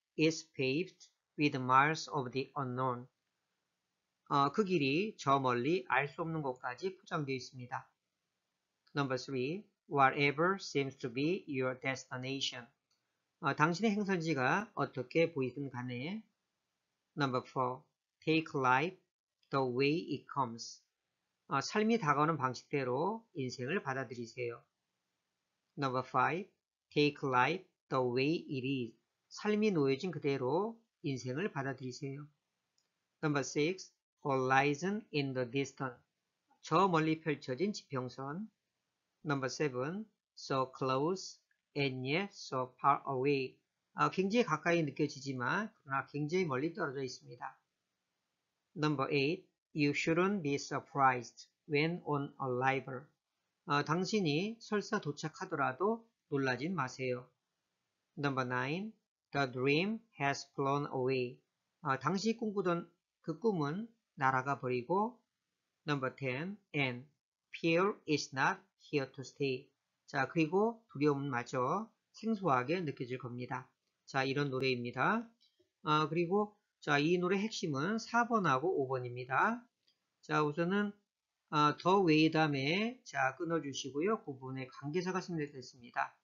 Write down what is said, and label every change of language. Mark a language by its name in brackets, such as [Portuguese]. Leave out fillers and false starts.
[English] It's paved with miles of the unknown. [Korean] 그 길이 저 멀리 알수 없는 곳까지 포장되어 있습니다. [English] Number 3. Whatever seems to be your destination. [Korean] 당신의 행선지가 어떻게 보이든 간에. [English] Number 4. Take life the way it comes. [Korean] 삶이 다가오는 방식대로 인생을 받아들이세요. [English] Number 5. Take life the way it is. [Korean] 삶이 놓여진 그대로 인생을 받아들이세요. [English] Number 6. Horizon in the distance. [Korean] 저 멀리 펼쳐진 지평선. [English] Number 7. So close and yet so far away. [Korean] 굉장히 가까이 느껴지지만, 그러나 굉장히 멀리 떨어져 있습니다. [English] Number 8. You shouldn't be surprised when on arrival. [Korean] 당신이 설사 도착하더라도 놀라진 마세요. [English] Number 9. The dream has flown away. [Korean] 당신이 꿈꾸던 그 꿈은 날아가 버리고, [English] number 10, and fear is not here to stay. [Korean] 자, 그리고 두려움 마저 생소하게 느껴질 겁니다. 자, 이런 노래입니다. 그리고, 자, 이 노래 핵심은 4번하고 5번입니다. 자, 우선은, [English] the way [Korean] 다음에, 자, 끊어주시고요. 그 부분에 관계사가 생략됐습니다.